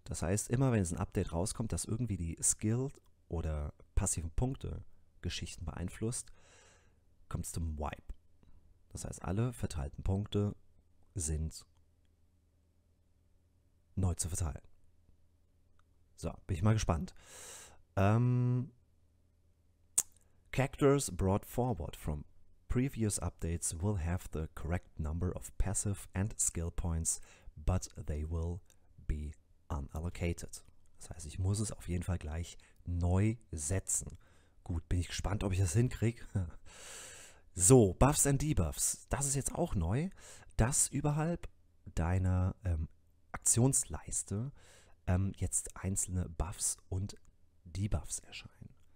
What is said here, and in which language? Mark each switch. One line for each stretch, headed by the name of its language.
German: Das heißt, immer wenn es ein Update rauskommt, das irgendwie die Skill- oder passiven Punkte-Geschichten beeinflusst, kommt es zum Wipe. Das heißt, alle verteilten Punkte sind neu zu verteilen. So, bin ich mal gespannt.
English: Characters brought forward from previous updates will have the correct number of passive and skill points, but they will be unallocated.
German: Das heißt, ich muss es auf jeden Fall gleich neu setzen. Gut, bin ich gespannt, ob ich das hinkriege. So, Buffs and Debuffs. Das ist jetzt auch neu, dass überhalb deiner Aktionsleiste jetzt einzelne Buffs und Debuffs erscheinen.